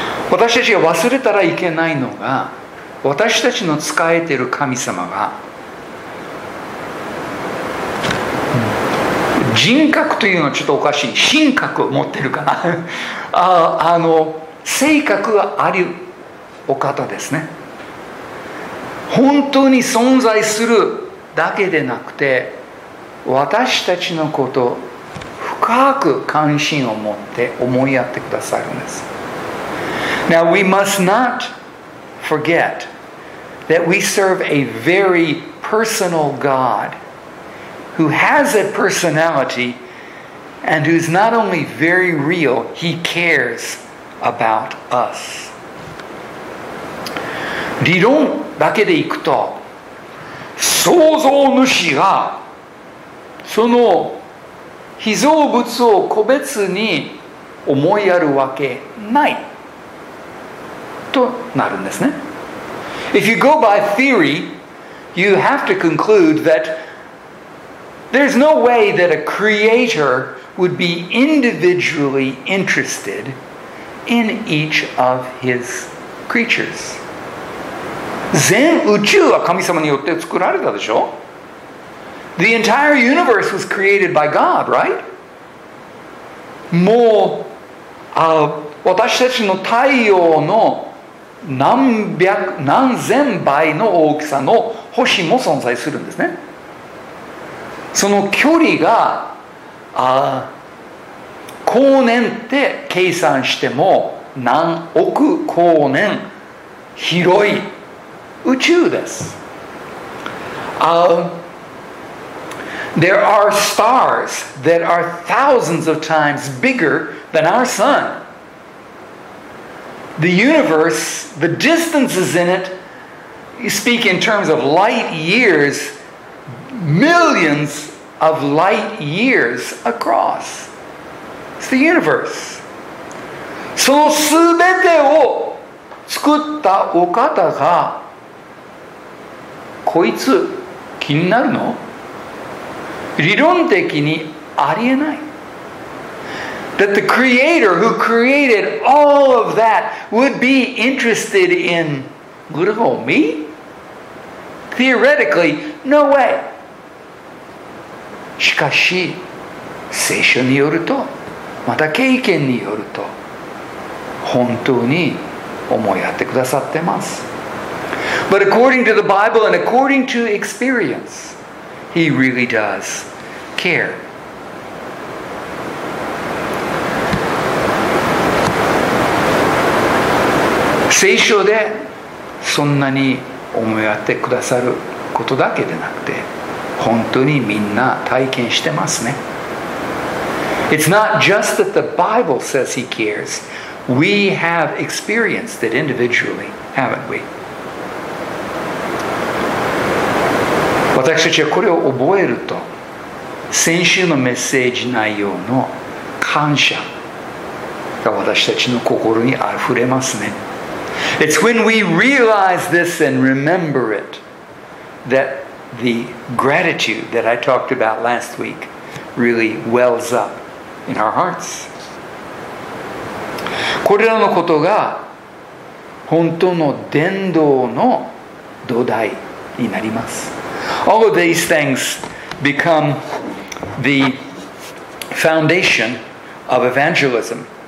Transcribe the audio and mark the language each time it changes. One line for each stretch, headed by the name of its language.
Japanese: 私たちが忘れたらいけないのが、私たちの仕えている神様が、人格というのはちょっとおかしい、神格を持ってるかな性格があるお方ですね。本当に存在するだけでなくて、私たちのことを深く関心を持って思いやってくださるんです。
English: Now we must not forget that we serve a very personal GodWho has a personality and who's not only very real, he cares about us.
Japanese: 理論だけでいくと、創造主がその被造物を個別に思いやるわけないとなるんですね。
English: If you go by theory, you have to conclude thatThere's no way that a creator would be individually interested in each of his creatures.
Japanese: 全宇宙は神様によって作られたでしょ?
English: The entire universe was created by God, right?
Japanese: もう、私たちの太陽の何千倍の大きさの星も存在するんですね。その距離が光年って計算しても何億光年広い宇宙です。
English: There are stars that are thousands of times bigger than our sun. The universe, the distances in it, you speak in terms of light years, millionsOf light years across. It's the universe.
Japanese: そのすべてを作ったお方が、こいつ気になるの? 理論的にありえない。
English: That the creator who created all of that would be interested in little me? Theoretically, no way.
Japanese: しかし聖書によると、また経験によると、本当に思いやってくださってます。
English: But according to the Bible and according to experience, he really does care.
Japanese: でそんなに思いやってくださることだけでなくて、本当にみんな体験してますね。
English: It's not just that the Bible says he cares. We have experienced it individually, haven't we?
Japanese: 私たちはこれを覚えると、先週のメッセージ内容の感謝が私たちの心にあふれますね。
English: It's when we realize this and remember it thatThe gratitude that I talked about last week really wells up in our hearts.
Japanese: これらのことが本当の伝道の土台になります。
English: All of these things become the foundation of evangelism.